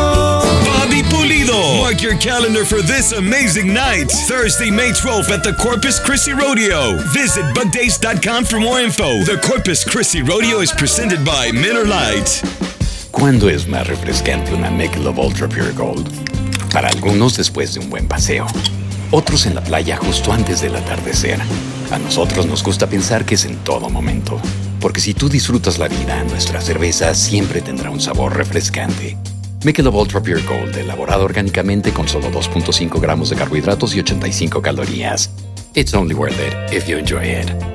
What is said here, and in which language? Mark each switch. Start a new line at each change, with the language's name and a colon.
English: Mark your calendar for this amazing night, Thursday, May 12th at the Corpus Christi Rodeo. Visit bugdays.com for more info. The Corpus Christi Rodeo is presented by Miller Lite.
Spanish: ¿Cuándo es más refrescante una Michelob Ultra Pure Gold? Para algunos, después de un buen paseo. Otros en la playa justo antes del atardecer. A nosotros nos gusta pensar que es en todo momento. Porque si tú disfrutas la vida, nuestra cerveza siempre tendrá un sabor refrescante. Michelob Ultra Pure Gold, elaborado orgánicamente con solo 2.5 gramos de carbohidratos y 85 calorías.
English: It's only worth it if you enjoy it.